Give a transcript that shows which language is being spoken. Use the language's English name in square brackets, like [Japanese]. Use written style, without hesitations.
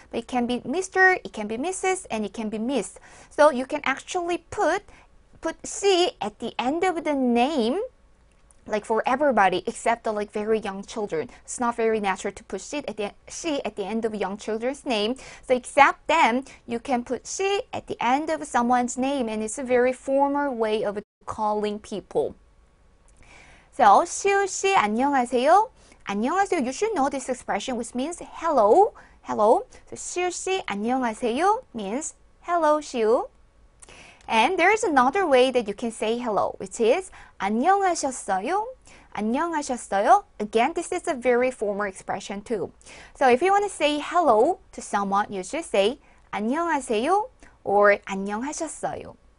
[English] But it can be Mr., it can be Mrs., and it can be Miss. So you can actually put Xi at the end of the name, like for everybody except the like very young children. It's not very natural to put Xi at the end of young children's name. So except them, you can put Xi at the end of someone's name, and it's a very formal way of calling people. [Korean] So, 시우 씨 안녕하세요. 안녕하세요. [English] You should know this expression, which means hello, hello. So, [Korean] 시우 씨 안녕하세요 [English] means hello, 시우. And there is another way that you can say hello, which is [Korean] 안녕하셨어요. 안녕하셨어요. [English] Again, this is a very formal expression too. So, if you want to say hello to someone, you should say [Korean] 안녕하세요 [English] or [Korean] 안녕하셨어요.